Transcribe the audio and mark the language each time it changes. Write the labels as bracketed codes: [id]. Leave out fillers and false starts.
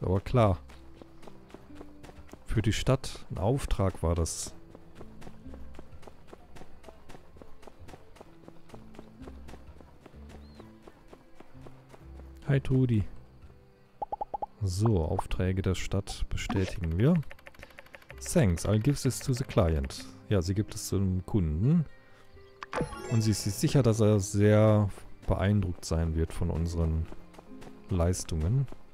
[de] Aber klar. Für die Stadt. Ein Auftrag war das. Hi Trudi. So, Aufträge der Stadt bestätigen wir. [en] Thanks, I'll give this to the client. [de] Ja, sie gibt es zum Kunden. Und sie ist sicher, dass er sehr beeindruckt sein wird von unseren Leistungen.